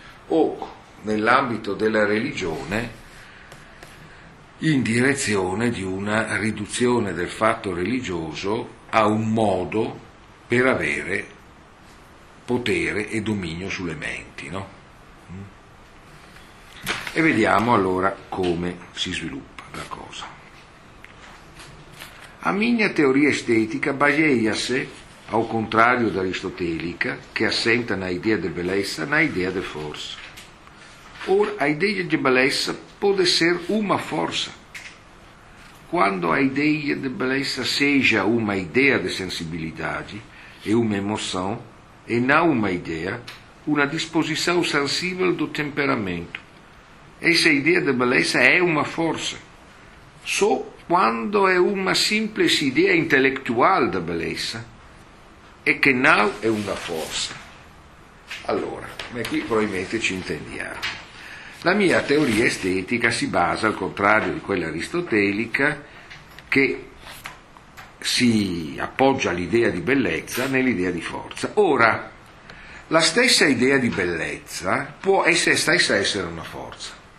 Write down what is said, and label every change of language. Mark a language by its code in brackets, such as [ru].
[it] o nell'ambito della religione in direzione di una riduzione del fatto religioso a un modo per avere potere e dominio sulle menti, no? E vediamo allora come si sviluppa la cosa. [pt] A minha teoria estética baseia-se, ao contrário da aristotélica, que assenta na ideia de beleza, na ideia de força. Ora, a ideia de beleza pode ser uma força. Quando a ideia de beleza seja uma ideia de sensibilidade e uma emoção, e não uma ideia, uma disposição sensível do temperamento. Essa ideia de beleza é uma força. Só quando é uma simples ideia intelectual da beleza, é que não é uma força. [it] Allora, ma qui probabilmente ci intendiamo. La mia teoria estetica si basa, al contrario di quella aristotelica, che si appoggia all'idea di bellezza nell'idea di forza. Ora, la stessa idea di bellezza può essere una forza.